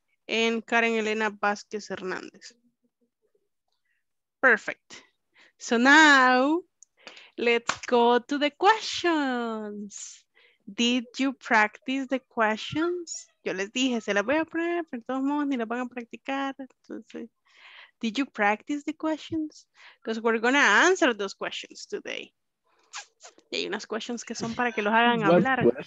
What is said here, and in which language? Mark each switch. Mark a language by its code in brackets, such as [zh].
[en] En Karen Elena Vázquez Hernández. Perfect. So now, let's go to the questions. Did you practice the questions? [es] Yo les dije, se las voy a poner, pero de todos modos ni las van a practicar. [en] Entonces, did you practice the questions? Because we're going to answer those questions today. [es] Y hay unas questions que son para que los hagan hablar.